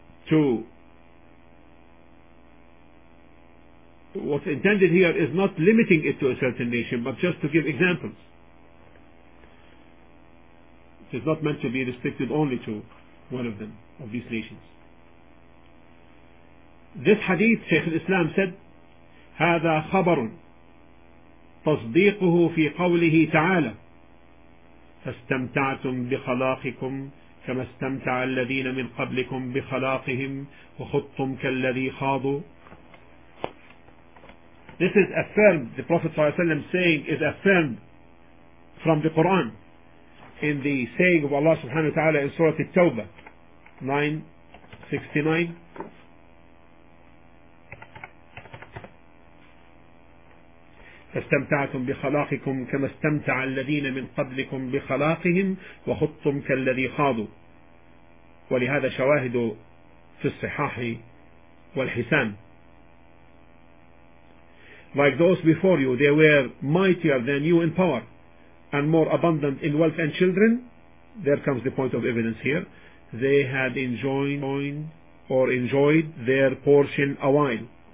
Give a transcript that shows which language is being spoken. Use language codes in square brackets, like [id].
[en] to what's intended here is not limiting it to a certain nation but just to give examples it is not meant to be restricted only to one of them of these nations this hadith Shaykh al-Islam said [ar] هذا خبر تصديقه في قوله تعالى فاستمتعتم بخلاقكم كما استمتع الذين من قبلكم بخلاقهم وخضتم كالذي خاضوا. [en] This is affirmed, the Prophet ﷺ saying is affirmed from the Quran in the saying of Allah subhanahu wa ta'ala in Surah At-Tawbah 9:69. [ar] فاستمتعتم بخلاقكم كما استمتع الذين من قبلكم بخلاقهم وخضتم كالذي خاضوا. ولهذا شواهد في الصحاح والحسان. [en] Like those before you, they were mightier than you in power and more abundant in wealth and children. There comes the point of evidence here. They had enjoyed their portion a while.